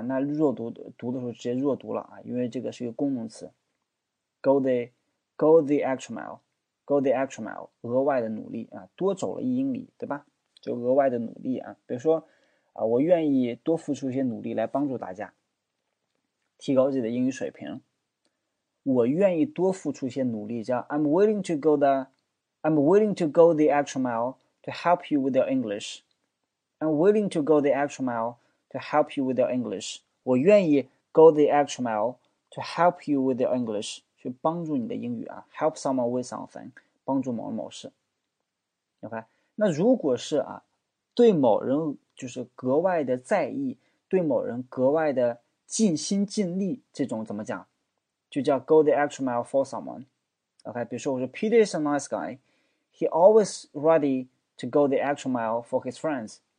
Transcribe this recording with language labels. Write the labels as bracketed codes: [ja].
[zh] 那弱读的时候直接弱读了啊，因为这个是一个功能词。 [en] Go the go the extra mile, go the extra mile, [zh] 额外的努力啊，多走了一英里，对吧？就额外的努力啊，比如说啊，我愿意多付出一些努力来帮助大家，提高自己的英语水平。我愿意多付出一些努力，叫 [en] I'm willing to go the extra mile to help you with your English. I'm willing to go the extra mile to help you with your English. [zh] 我愿意 [en] go the extra mile to help you with your English. [zh] 去帮助你的英语啊 ， [en] help someone with something， [zh] 帮助某人某事。 OK， 那如果是啊，对某人就是格外的在意，对某人格外的尽心尽力，这种怎么讲？就叫 [en] go the extra mile for someone。OK， [zh] 比如说我说 [en] Peter is a nice guy， he always ready to go the extra mile for his friends。